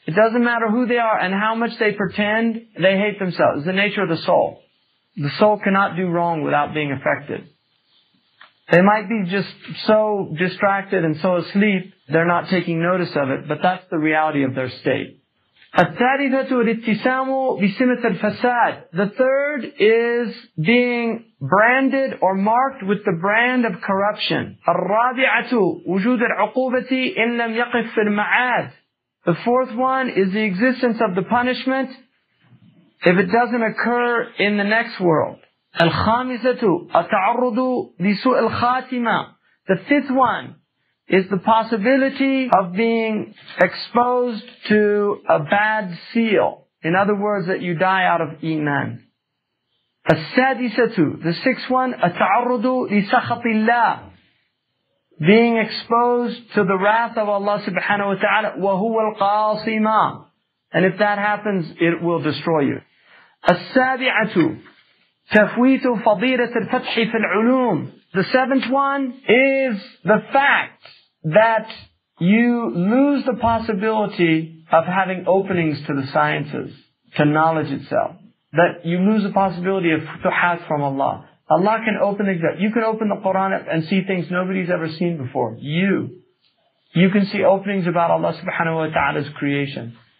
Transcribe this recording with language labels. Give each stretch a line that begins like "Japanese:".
English: It doesn't matter who they are and how much they pretend, they hate themselves. It's the nature of the soul. The soul cannot do wrong without being affected. They might be just so distracted and so asleep, they're not taking notice of it, but that's the reality of their state.
Arabic: الثالثة الاتسام بسمة الفساد.
English: The third is being branded or marked with the brand of corruption.
Arabic: الرابعة وجود العقوبة إن لم يقف في المعاد.
English: The fourth one is the existence of the punishment if it doesn't occur in the next world.
Arabic: الخامسة التعرض لسوء الخاتمة.
English: The fifth one is the possibility of being exposed to a bad seal. In other words, that you die out of iman.
Arabic: السادسة,
English: the sixth one,
Arabic: التعرض لسخط الله.
English: Being exposed to the wrath of Allah subhanahu wa ta'ala.
Arabic: وهو القاصمة.
English: And if that happens, it will destroy you.
Arabic: السابعة, تفويت فضيلة الفتح في العلوم.
English: The seventh one is the fact that you lose the possibility of having openings to the sciences, to knowledge itself. That you lose the possibility of futuhat from Allah. Allah can open things up. You can open the Quran up and see things nobody's ever seen before. You can see openings about Allah subhanahu wa ta'ala's creation.